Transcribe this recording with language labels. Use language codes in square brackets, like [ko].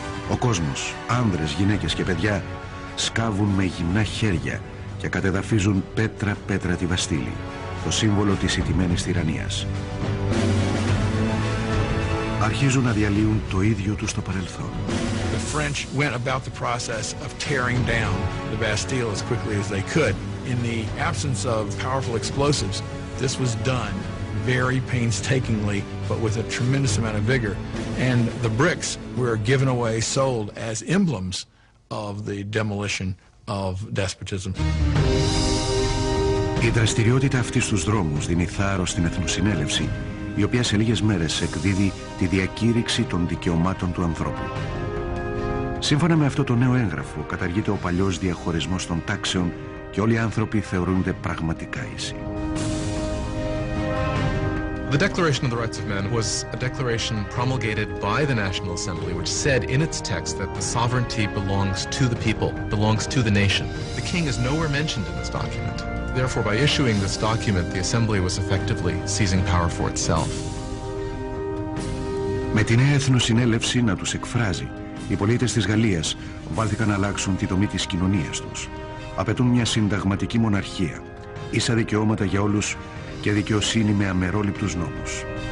[el] Ο κόσμος, άνδρες, γυναίκες και παιδιά, σκάβουν με γυμνά χέρια και κατεδαφίζουν πέτρα-πέτρα τη Βαστίλη, το σύμβολο της ηττημένης τυραννίας. Αρχίζουν να διαλύουν το ίδιο τους το παρελθόν. [en] The French went about the process of tearing down the Bastille as quickly as they could. In the absence of powerful explosives, this was done very painstakingly, but with a tremendous amount of vigor. And the bricks were given away, sold as emblems of the demolition of despotism. [el] Η δραστηριότητα αυτή στους δρόμους δίνει θάρρος στην Εθνοσυνέλευση, η οποία σε λίγες μέρες εκδίδει τη διακήρυξη των δικαιωμάτων του ανθρώπου. Σύμφωνα με αυτό το νέο έγγραφο, καταργείται ο παλιός διαχωρισμός των τάξεων και όλοι οι άνθρωποι θεωρούνται πραγματικά ίσοι. [en] The Declaration of the Rights of Man was a declaration promulgated by the National Assembly, which said in its text that the sovereignty belongs to the people, belongs to the nation. The king is nowhere mentioned in this document. Therefore, by issuing this document, the Assembly was effectively seizing power for itself. [el] Με την νέα Εθνοσυνέλευση να τους εκφράζει, οι πολίτες της Γαλλίας βάλθηκαν να αλλάξουν τη δομή της κοινωνίας τους. Απαιτούν μια συνταγματική μοναρχία, ίσα δικαιώματα για όλους και δικαιοσύνη με αμερόληπτους νόμους.